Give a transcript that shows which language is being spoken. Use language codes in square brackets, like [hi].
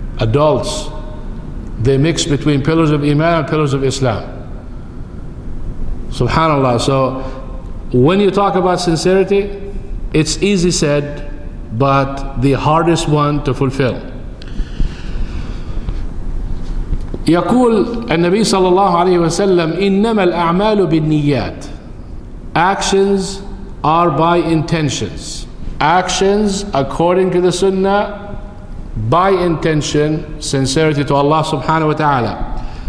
[en] Adults, they mix between pillars of Iman and pillars of Islam. Subhanallah. So when you talk about sincerity, it's easy said, but the hardest one to fulfill. [ar] يقول النبي صلى الله عليه وسلم إنما الأعمال بالنيات. [en] Actions are by intentions. Actions according to the Sunnah, by intention, sincerity to Allah subhanahu wa ta'ala.